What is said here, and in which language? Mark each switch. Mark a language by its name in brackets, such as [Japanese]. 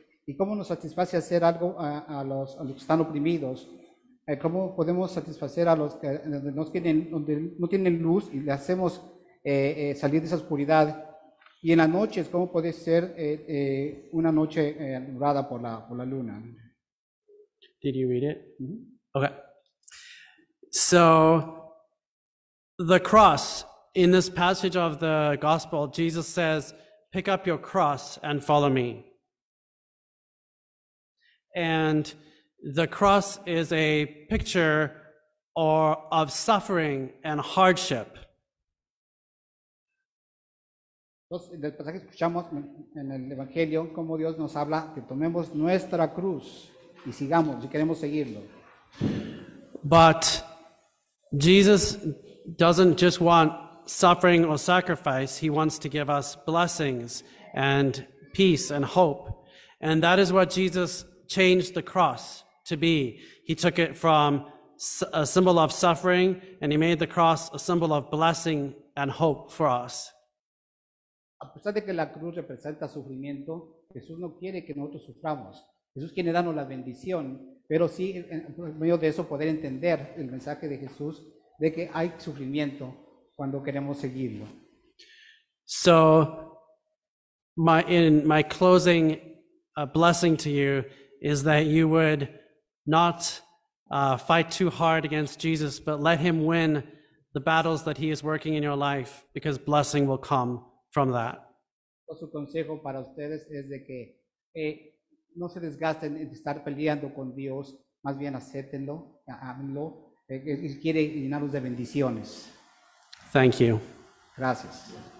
[Spanish] Y cómo nos satisface hacer algo a los que están oprimidos, cómo podemos satisfacer a los que no tienen luz y le hacemos salir de esa oscuridad. Y en las noches, cómo puede ser una noche alumbrada por la luna. [English] Did you read it? Mm-hmm. Okay. So the cross, in this passage of the gospel, Jesus says, "Pick up your cross and follow me." And the cross is a picture of suffering and hardship. [Spanish] Entonces, en el pasaje que escuchamos en el Evangelio, como Dios nos habla, que tomemos nuestra cruz y sigamos, si queremos seguirlo. [English] But Jesus doesn't just want suffering or sacrifice, he wants to give us blessings and peace and hope. And that is what Jesus changed the cross to be. He took it from a symbol of suffering and he made the cross a symbol of blessing and hope for us. [Spanish] A pesar de que la cruz representa sufrimiento, Jesús no quiere que nosotros suframos. Jesús quiere darnos la bendición, pero sí, en medio de eso, poder entender el mensaje de Jesús de que hay sufrimiento cuando queremos seguirlo. [English] So, in my closing blessing to you is that you would not fight too hard against Jesus, but let him win the battles that he is working in your life, because blessing will come from that. [Spanish] Su consejo para ustedes es de que no se desgasten en estar peleando con Dios, más bien acéptenlo, ámenlo, él quiere llenarlos de bendiciones. [English] Thank you. [Spanish] Gracias.